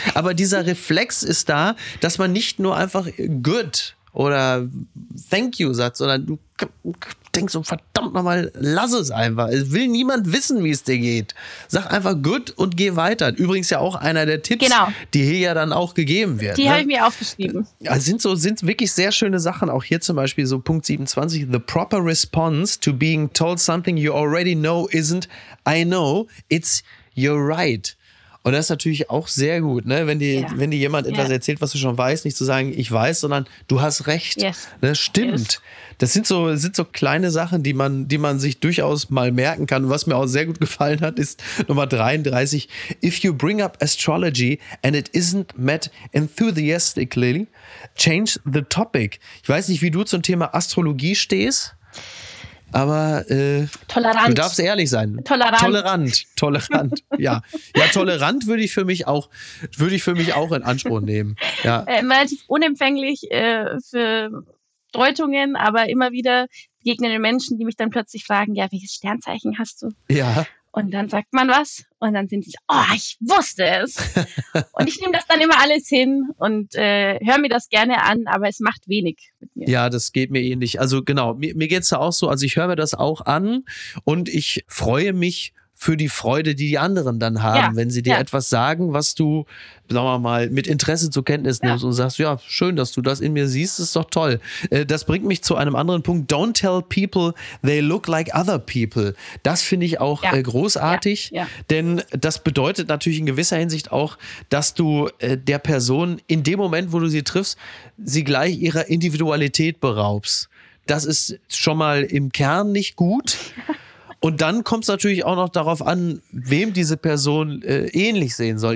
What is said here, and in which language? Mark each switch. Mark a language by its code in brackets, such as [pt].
[de] Aber dieser Reflex ist da, dass man nicht nur einfach good oder [en] thank you [de] sagt, sondern du denkst so, verdammt nochmal, lass es einfach. Es will niemand wissen, wie es dir geht. Sag einfach good und geh weiter. Übrigens ja auch einer der Tipps, genau, die hier ja dann auch gegeben werden. Die, ne, habe ich mir aufgeschrieben. Ja, sind wirklich sehr schöne Sachen. Auch hier zum Beispiel so Punkt 27. [en] The proper response to being told something you already know isn't I know, it's you're right. [de] Und das ist natürlich auch sehr gut, ne? Wenn dir jemand etwas erzählt, was du schon weißt, nicht zu sagen, ich weiß, sondern du hast recht. [en] Yes. [de] Ne? Stimmt. [en] Yes. [de] Das sind so kleine Sachen, die man sich durchaus mal merken kann. Und was mir auch sehr gut gefallen hat, ist Nummer 33. [en] If you bring up astrology and it isn't met enthusiastically, change the topic. [de] Ich weiß nicht, wie du zum Thema Astrologie stehst. Aber tolerant. Du darfst ehrlich sein. Tolerant. Ja. Ja, tolerant würde ich für mich auch in Anspruch nehmen. Ja. Relativ unempfänglich für Deutungen, aber immer wieder begegnen den Menschen, die mich dann plötzlich fragen, ja, welches Sternzeichen hast du? Ja. Und dann sagt man was und dann sind sie, oh, ich wusste es. Und ich nehme das dann immer alles hin und höre mir das gerne an, aber es macht wenig mit mir. Ja, das geht mir ähnlich. Also genau, mir geht es da auch so, also ich höre mir das auch an und ich freue mich für die Freude, die die anderen dann haben, wenn sie dir etwas sagen, was du, sagen wir mal, mit Interesse zur Kenntnis nimmst und sagst, ja, schön, dass du das in mir siehst, ist doch toll. Das bringt mich zu einem anderen Punkt. [en] Don't tell people they look like other people. [de] Das finde ich auch großartig, denn das bedeutet natürlich in gewisser Hinsicht auch, dass du der Person in dem Moment, wo du sie triffst, sie gleich ihrer Individualität beraubst. Das ist schon mal im Kern nicht gut. Und dann kommt es natürlich auch noch darauf an, wem diese Person ähnlich sehen soll.